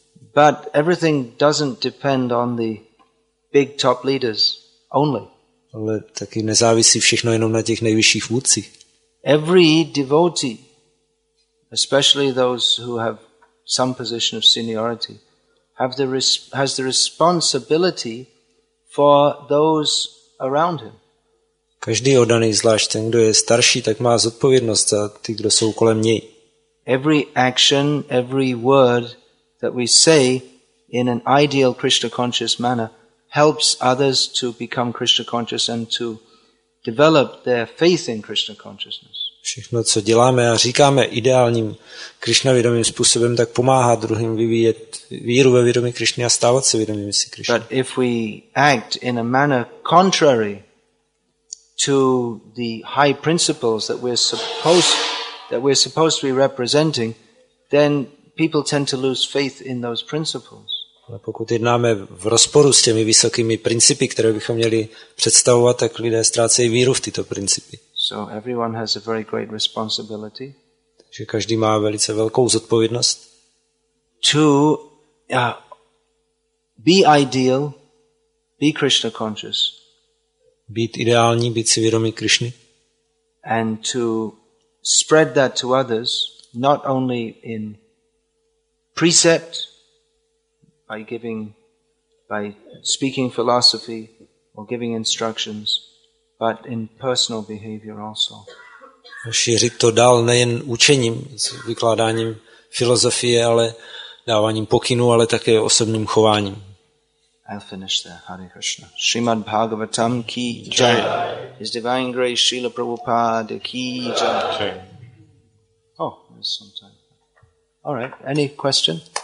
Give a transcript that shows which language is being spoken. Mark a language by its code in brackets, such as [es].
[en] But everything doesn't depend on the big top leaders only. [cs] Ale taky nezávisí všechno jenom na těch nejvyšších vůdcích. [en] Every devotee, especially those who have some position of seniority, has the responsibility for those around him. [cs] Každý oddaný, zvlášť ten, kdo je starší, tak má zodpovědnost za ty, kdo jsou kolem něj. [en] Every action, every word that we say in an ideal Krishna conscious manner helps others to become Krishna conscious and to develop their faith in Krishna consciousness. [cs] Všechno, co děláme a říkáme ideálním Krishnavědomým způsobem, tak pomáhá druhým vyvíjet víru ve vědomí Krishny a stávat se vědomým si Krishny. [en] But if we act in a manner contrary to the high principles that we're supposed to be representing, then people tend to lose faith in those principles. [cs] Ale pokud jednáme v rozporu s těmi vysokými principy, které bychom měli představovat, tak lidé ztrácejí víru v tyto principy. [en] So everyone has a very great responsibility. [cs] Takže každý má velice velkou zodpovědnost. [en] To be ideal, be Krishna conscious. [cs] Být ideální, být si vědomý Krishny. [en] And to spread that to others, not only in precept, by speaking philosophy or giving instructions, but in personal behavior also. [cs] Šířit to dál nejen učením, vykládáním filozofie, ale dáváním pokynů, ale také osobním chováním. [en] I'll finish there. Hare Krishna. Srimad Bhagavatam ki jai. His Divine Grace Srila Prabhupada ki jai. Oh, there's some time. All right. Any question?